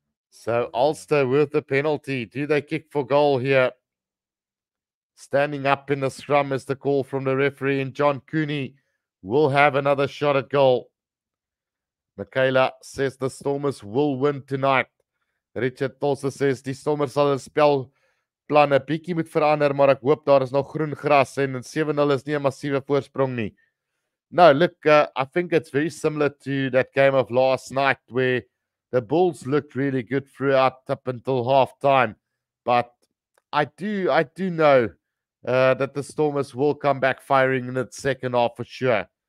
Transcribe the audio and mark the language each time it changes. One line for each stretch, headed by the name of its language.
English: So Ulster with the penalty. Do they kick for goal here? Standing up in the scrum is the call from the referee, and John Cooney will have another shot at goal. Michaela says the Stormers will win tonight.
Afrikaans: Richard Tosse
English: says the
Afrikaans: Stormers sal 'n spel planne bietjie moet verander, maar ek hoop daar is nog groen gras en 7-0 is nie 'n massiewe voorsprong nie.
English: No, look, I think it's very similar to that game of last night where the Bulls looked really good throughout up until half time. But I do know that the Stormers will come back firing in the second half for sure.